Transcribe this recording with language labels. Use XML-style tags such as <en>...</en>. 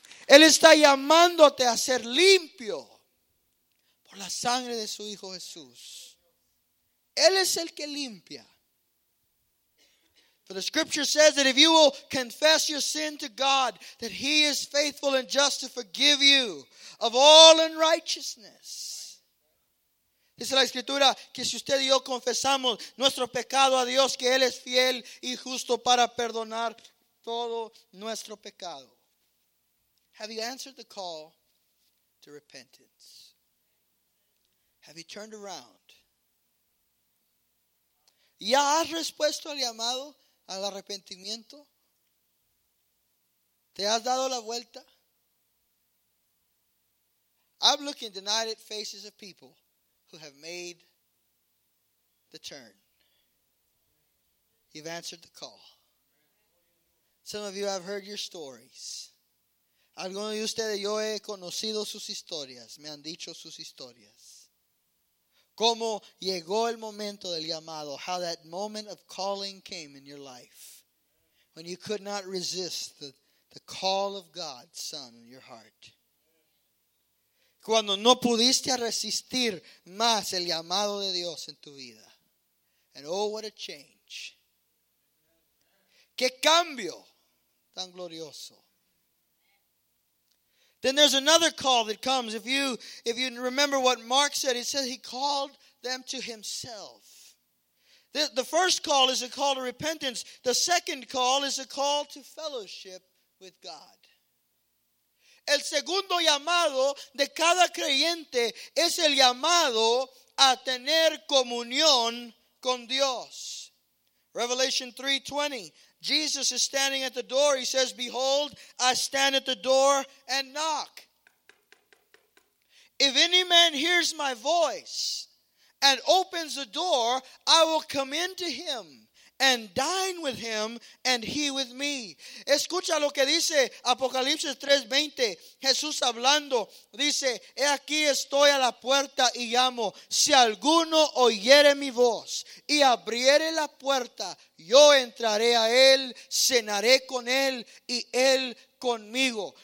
<es>Él está llamándote a ser limpio. La sangre de su Hijo Jesús. Él es el que limpia.</es> <en>For the scripture says that if you will confess your sin to God, that he is faithful and just to forgive you of all unrighteousness.</en> <es>Dice la escritura que si usted y yo confesamos nuestro pecado a Dios, que él es fiel y justo para perdonar todo nuestro pecado.</es> <en>Have you answered the call to repentance? Have you turned around?</en> <es>¿Ya has respuesto al llamado al arrepentimiento? ¿Te has dado la vuelta?</es> <en>I'm looking tonight at faces of people who have made the turn. You've answered the call. Some of you have heard your stories.</en> <es>Algunos de ustedes, yo he conocido sus historias. Me han dicho sus historias. Cómo llegó el momento del llamado.</es> <en>How that moment of calling came in your life. When you could not resist the call of God's Son in your heart.</en> <es>Cuando no pudiste resistir más el llamado de Dios en tu vida.</es> <en>And oh, what a change.</en> <es>¿Qué cambio tan glorioso?</es> <en>Then there's another call that comes. If you remember what Mark said, he said he called them to himself. The first call is a call to repentance. The second call is a call to fellowship with God.</en> <es>El segundo llamado de cada creyente es el llamado a tener comunión con Dios.</es> <en>Revelation 3:20. Jesus is standing at the door. He says, "Behold, I stand at the door and knock. If any man hears my voice and opens the door, I will come in to him and dine with him and he with me."</en> <es>Escucha lo que dice Apocalipsis 3:20. Jesús hablando dice, "He aquí estoy a la puerta y llamo. Si alguno oyere mi voz y abriere la puerta, yo entraré a él, cenaré con él y él conmigo."</es>